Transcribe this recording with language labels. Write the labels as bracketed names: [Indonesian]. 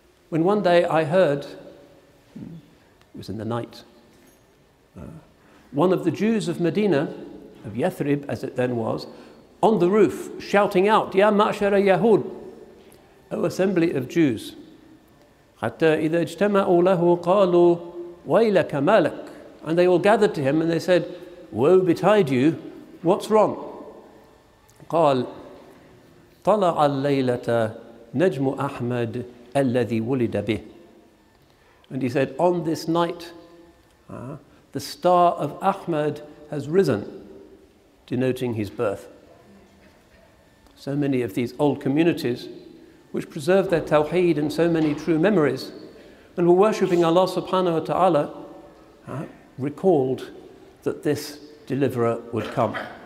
[English] When one day I heard, it was in the night, one of the Jews of Medina, of Yathrib as it then was, on the roof shouting out, [Arabic] يَا مَعْشَرَ يَهُودِ, [English] O assembly of Jews. [Arabic] حَتَّى إِذَا اجْتَمَعُوا لَهُ قَالُوا وَيْلَكَ مَالَكَ. [English] And they all gathered to him and they said, woe betide you, what's wrong? [Arabic] قال طلع الليلة نجم أحمد الذي ولد به. [English] And he said, on this night, the star of Ahmed has risen, denoting his birth. So many of these old communities, which preserved their tawheed and so many true memories, and were worshipping Allah subhanahu wa ta'ala, recalled that this deliverer would come.